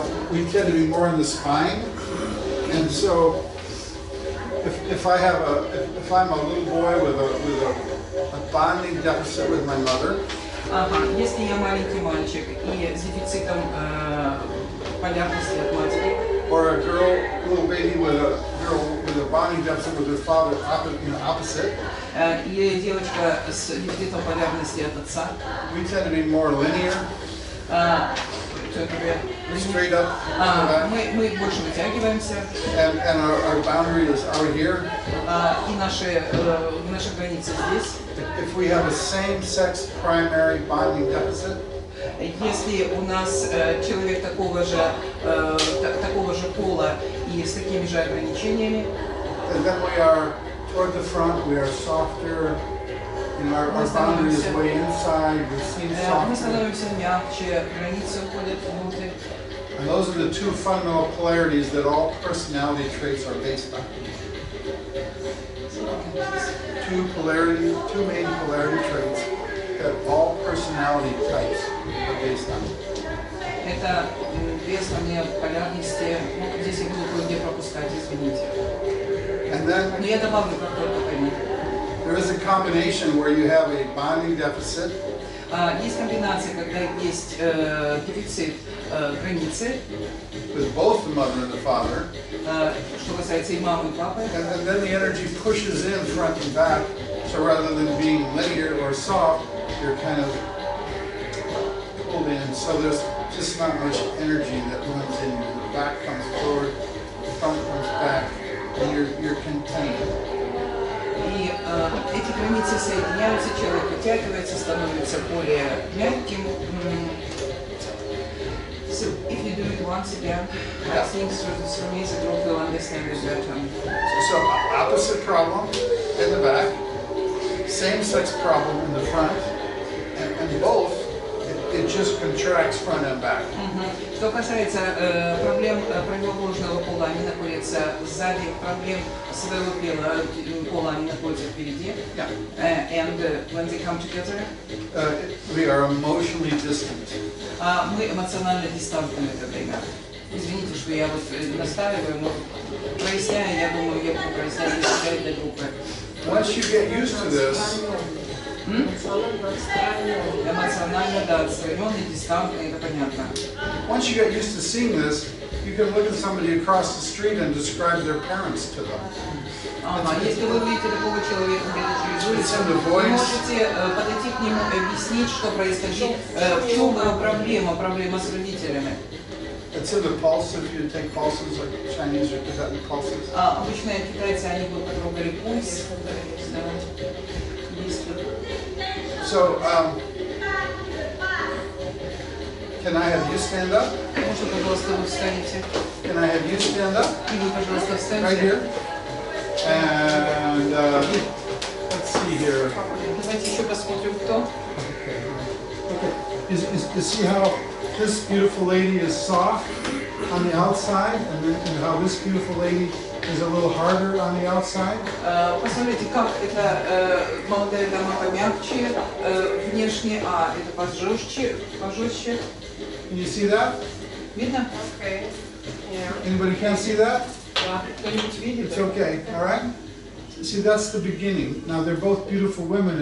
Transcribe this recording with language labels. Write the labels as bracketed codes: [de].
[en] We tend to be more in the spine, and so if I'm a little boy with a bonding deficit with my mother. [ru] Если я маленький мальчик и с дефицитом полярности от матери. [en] Or a girl, little baby with a girl with a bonding deficit with her father, opposite. [ru] И девочка с дефицитом полярности от отца. [en] We tend to be more linear. Straight up. [ru] Мы больше вытягиваемся. [en] And our boundary is out here. [ru] И наши границы здесь. [en] If we have a same-sex primary bonding deficit, [ru] если у нас человек такого же пола и с такими же ограничениями, [en] then we are toward the front, we are softer, you know, our boundary is way inside, we seem softer. [ru] Мы становимся мягче, границы уходят внутрь. [en] And those are the two fundamental polarities that all personality traits are based on. Two main polarity traits that all personality types are based on. [ru] Это две основные полярности. Ну, здесь я буду кое-где пропускать, извините. [en] And then, [ru] но я добавлю как только понять. [en] There is a combination where you have a bonding deficit. [ru] Есть комбинация, когда есть дефицит границы. [en] With both the mother and the father. [ru] Что касается и мамы, и папы. [en] And then the energy pushes in front and back. So rather than being linear or soft, you're kind of pulled in. So there's just not much energy that runs in. The back comes forward, the front comes back, and you're contained. [ru] Эти границы соединяются, человек вытягивается, становится более мягким. [en] So if you do it once again, yeah. I think for me the group will understand it better. So opposite problem in the back, same sex problem in the front, and both, it, it just contracts front and back. [ru] Что касается проблем правоположного пола, они находятся сзади, проблем своего первого пола, они находятся впереди. [en] And when they come together? We are emotionally distant. [ru] Мы эмоционально дистантны, это время. Извините, что я вот настаиваю, но проясняю, я думаю, я буду проясняю для себя и для группы. [en] Once you get used to this, [ru] Эмоционально, да, отстранённый, дистантный, это понятно. [en] Once you get used to seeing this, you can look at somebody across the street and describe their parents to them. [ru] Если вы увидите такого человека, где-то через улицу, вы можете подойти к нему и объяснить, что происходит, в чём проблема, проблема с родителями. [en] It's in the pulse, if you take pulses, like Chinese or Tibetan pulses. [ru] Обычно китайцы, они бы потрогали пульс. [en] So, can I have you stand up? [ru] Можно, пожалуйста, вы встанете? [en] Can I have you stand up? [ru] И вы, пожалуйста, встанете? [en] Right here. And, let's see here. [ru] Давайте еще посмотрим, кто. [en] Okay. Is see how this beautiful lady is soft on the outside, and then and how this beautiful lady is a little harder on the outside. [ru] Посмотрите, как эта молодая дама помягче внешне, а это пожестче, пожестче. [en] Can you see that? [ru] Видно? [en] Okay. Yeah. Anybody can see that? [ru] Да, кто-нибудь видит? [en] It's okay. All right. See, that's the beginning. Now they're both beautiful women.